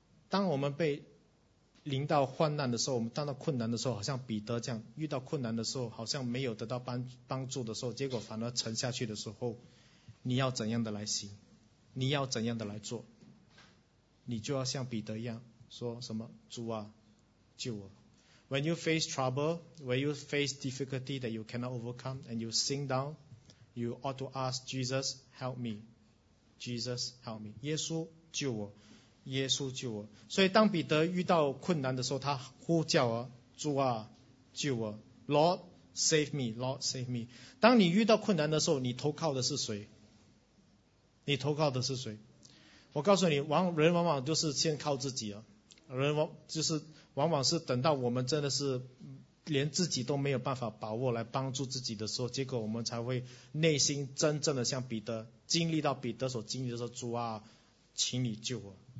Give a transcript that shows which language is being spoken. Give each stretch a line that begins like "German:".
Chinese: 当我们被临到患难的时候，我们当到困难的时候，好像彼得这样遇到困难的时候，好像没有得到帮助的时候，结果反而沉下去的时候，你要怎样的来行，你要怎样的来做，你就要像彼得一样说什么，主啊，救我。
English: When you face trouble, when you face difficulty that you cannot overcome and you sink downYou ought to ask Jesus, help me. Jesus, help me.
Chinese: 耶稣救我，耶稣救我。所以当彼得遇到困难的时候，他呼叫啊，主啊，救我。
English: Lord, save me. Lord, save me.
Chinese: 当你遇到困难的时候，你投靠的是谁？你投靠的是谁？我告诉你，人往往就是先靠自己啊。人就是往往是等到我们真的是连自己都没有办法把握来帮助自己的时候，结果我们才会内心真正的像彼得，经历到彼得所经历的时候，主啊，请你救我。